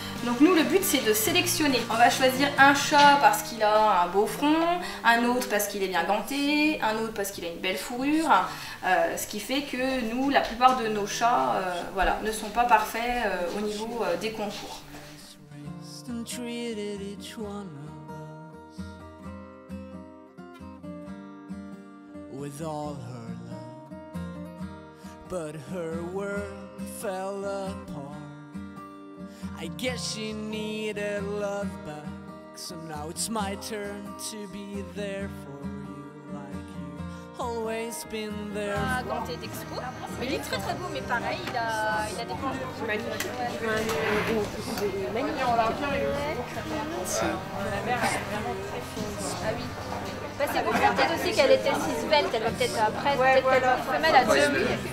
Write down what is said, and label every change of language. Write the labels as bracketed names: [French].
[French] Donc nous, le but, c'est de sélectionner. On va choisir un chat parce qu'il a un beau front, un autre parce qu'il est bien ganté, un autre parce qu'il a une belle fourrure. Ce qui fait que nous, la plupart de nos chats ne sont pas parfaits au niveau des concours. [English] And treated each one of us with all her love, but her world fell apart. I guess she needed love back, so now it's my turn to be there for you, like you always been there. [French] Ah, quand t'es d'expo, il est très très beau, mais pareil, il a des points magnifiques. Ah oui. C'est bon, peut-être aussi qu'elle était si svelte, elle va peut-être après, peut-être qu'elle est une femelle à deux.